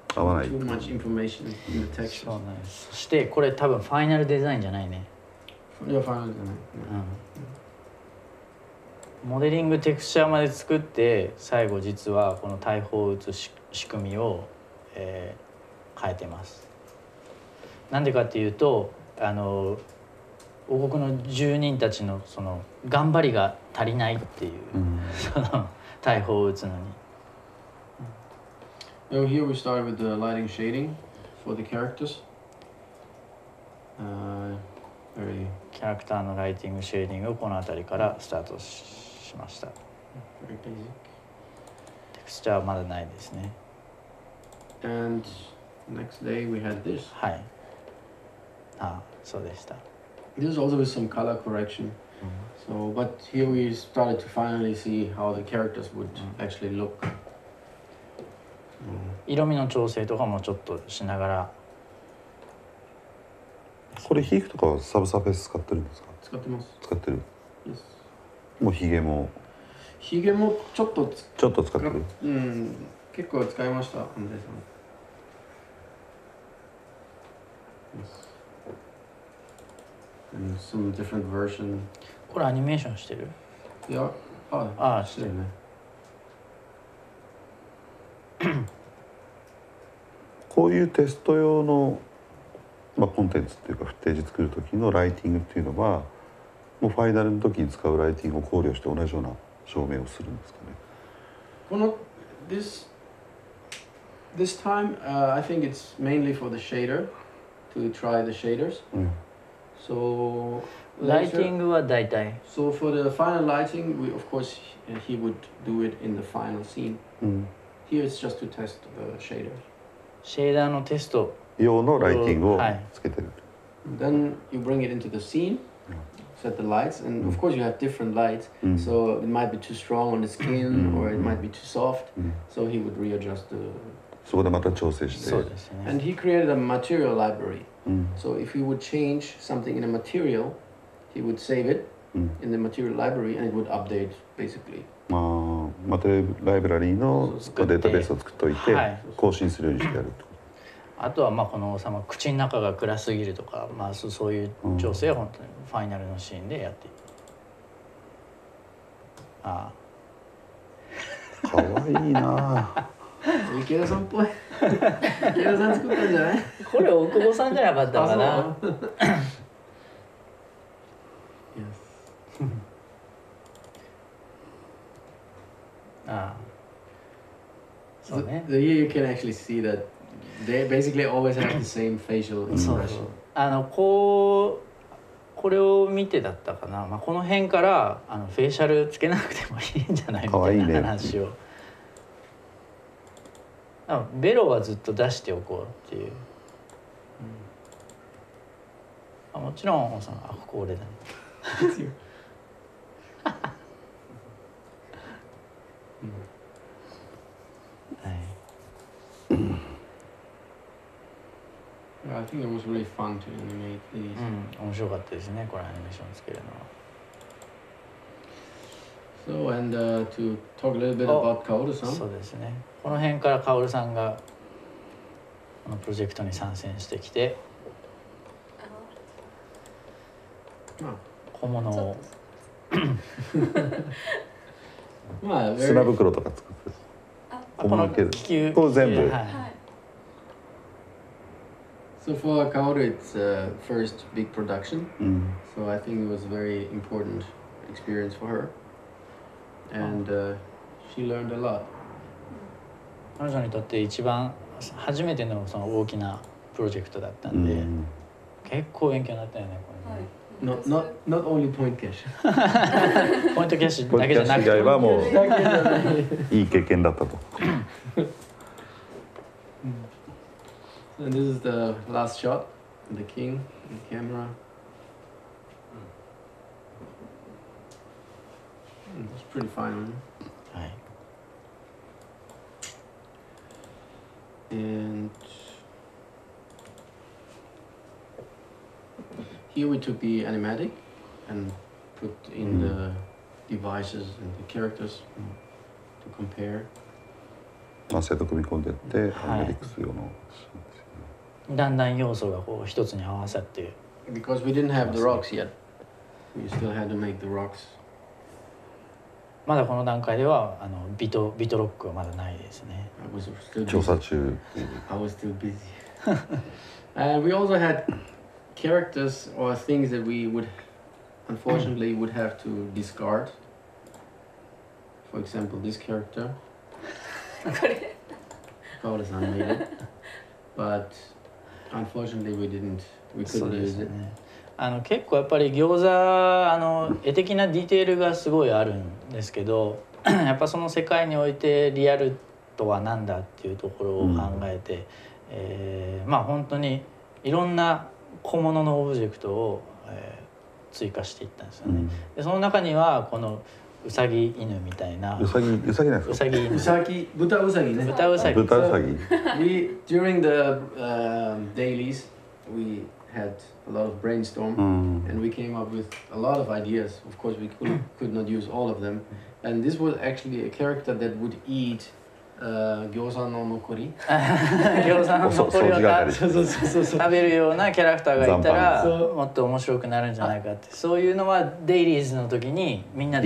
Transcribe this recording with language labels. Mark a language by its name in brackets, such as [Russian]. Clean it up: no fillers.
[Japanese] 合わない。 [English] Too much information in the texture. [Japanese] そうね。そしてこれ多分ファイナルデザインじゃないね。いや、ファイナルじゃない。モデリングテクスチャーまで作って、最後実はこの大砲を撃つ仕組みを、変えてます。なんでかっていうと、あの王国の住人たちのその頑張りが足りないっていう、その大砲を撃つのに。 [English] So here we start with the lighting shading for the characters. Very [Japanese] キャラクターのライティングシェーディングをこの辺りからスタートしました。 [English] Very basic. [Japanese] テクスチャーはまだないですね。 [English] And next day we had this. [Japanese] はい。あ、そうでした。 [English] This is also with some color correction. So, but here we started to finally see how the characters would actually look. [Japanese] 色味の調整とかもちょっとしながら。これヒークとかはサブサーフェイス使ってるんですか？使ってます。使ってる、 [English] yes. [Japanese] もうヒゲもちょっとちょっと使ってる、結構使いました、アンデさん。 Some different version. これアニメーションしてる？いや、はい、ああ、してるね。こういうテスト用の、まあ、コンテンツっていうかフッテージ作る時のライティングっていうのは、もうファイナルの時に使うライティングを考慮して同じような照明をするんですかね。この [English] this time、I think it's mainly for the shader to try the shaders、so [Japanese] ライティングは大体、 [English] so for the final lighting we of course he would do it in the final scene、here it's just to test the shaders。 [Japanese] シェーダーのテスト用のライティングをつけてる。 [English] Then you bring it into the scene, set the lights, and of course you have different lights, so it might be too strong on the skin or it might be too soft, so he would readjust the. [Japanese] そこでまた調整して。そうですね。 [English] And he created a material library, so if he would change something in a material, he would save it in the material library and it would update basically. [Japanese] まあ、マテライブラリーのデータベースを作っておいて更新するようにしてやるってこと。あとはまあこの王様口の中が暗すぎるとか、まあ、そういう調整は本当にファイナルのシーンでやっていく。ああかわいいな池田さんっぽい。池田さん作ったんじゃない？これ大久保さんじゃなかったかな。ああ、そうね。 [English] The year you can actually see that they basically always have the same facial expression. [Japanese] そうそう。あのこうこれを見てだったかな。まあ、この辺からあのフェイシャルつけなくてもいいんじゃないみたいな話を。あ、ね、ベロはずっと出しておこうっていう。あ、もちろんおさん、あ、ここ俺だね。 [English] I think it was really fun to animate these. [Japanese] 面白かったですね、これアニメーションつけるのは。 [English] So, and to talk a little bit about Kaoru-san. [Japanese] そうですね。この辺からカオルさんがこのプロジェクトに参戦してきて、小物を。まあ、砂袋とか作ってる。この気球。こう全部。はい。 [English] So for Kaoru, it's a first big production. So I think it was a very important experience for her. And she learned a lot. [Japanese] 彼女にとって一番初めて の, その大きなプロジェクトだったんで、結構勉強になったよね、これね。 [English] Not only point cash. [Japanese] ポイントキャッシュだけじゃなくて。ポイントキャッシュ以外はもういい経験だったと。 [English] And this is the last shot, the king, the camera. It's pretty fine, right? Hi. And here we took the animatic and put in the devices and the characters to compare. [Japanese] まあ、セット組み込んでって、アニメリックス用の。だんだん要素がこう一つに合わさって。 [English] Because we didn't have the rocks yet. We still had to make the rocks. [Japanese] まだこの段階ではあのビトロックはまだないですね。 [English] I was still busy. [Japanese] 調査中。 [English] I was still busy. And we also had characters or things that we would unfortunately would have to discard. For example, this character. [Japanese] これ。 [English] Kawada-san made it. But... Unfortunately, we didn't. We couldn't use it. [Japanese] あの結構やっぱり餃子あの絵的なディテールがすごいあるんですけど、やっぱその世界においてリアルとはなんだっていうところを考えて、まあ本当にいろんな小物のオブジェクトを、追加していったんですよね。でその中にはこのウサギ犬みたいな。ウサギなんですか。ウサギ犬。ウサギ豚ウサギね。豚ウサギ。豚ウサギ。 [English] We during the dailies we had a lot of brainstorm and we came up with a lot of ideas. Of course we could not use all of them. And this was actually a character that would eat [Japanese] 餃子の残り。餃子の残りを食べるようなキャラクターがいたらもっと面白くなるんじゃないかって、そういうのはデイリーズの時にみんなで